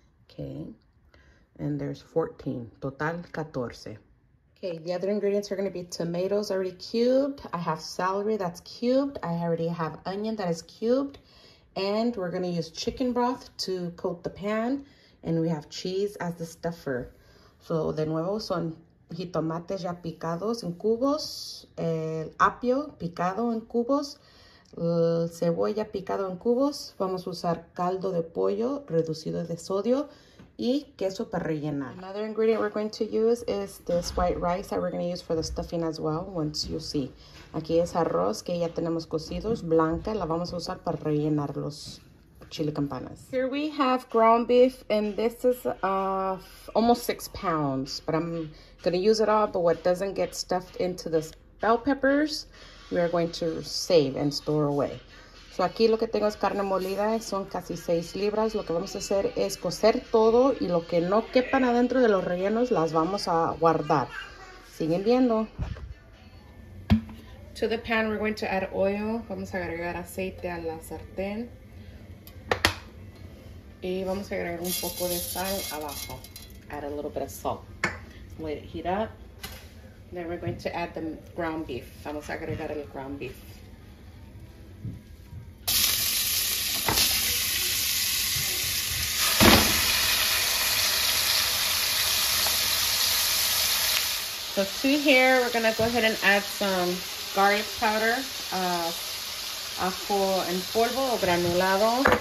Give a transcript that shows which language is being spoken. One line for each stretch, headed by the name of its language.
English: Okay, and there's 14, total 14. Okay, the other ingredients are going to be tomatoes already cubed. I have celery that's cubed. I already have onion that is cubed. And we're going to use chicken broth to coat the pan. And we have cheese as the stuffer.
Spanish: So, de nuevo, son jitomates ya picados en cubos, el apio picado en cubos, cebolla picado en cubos. Vamos a usar caldo de pollo reducido de sodio y queso para rellenar.
English: Another ingredient we're going to use is this white rice that we're going to use for the stuffing as well, once you see.
Spanish: Aquí es arroz que ya tenemos cocidos, blanca, la vamos a usar para rellenar los chili campanas.
English: Here we have ground beef, and this is almost 6 pounds, but I'm gonna use it all. But what doesn't get stuffed into the bell peppers, we are going to save and store away.
Spanish: So aquí lo que tengo es carne molida, son casi 6 libras. Lo que vamos a hacer es cocer todo, y lo que no quepan adentro de los rellenos las vamos a guardar. Siguen viendo.
English: To the pan we're going to add oil.
Spanish: Vamos a agregar aceite a la sartén. Y vamos a agregar un poco de sal abajo.
English: Add a little bit of salt. Let it heat up. Then we're going to add the ground beef.
Spanish: Vamos a agregar el ground beef.
English: So to here, we're going to go ahead and add some garlic powder, ajo en polvo o granulado.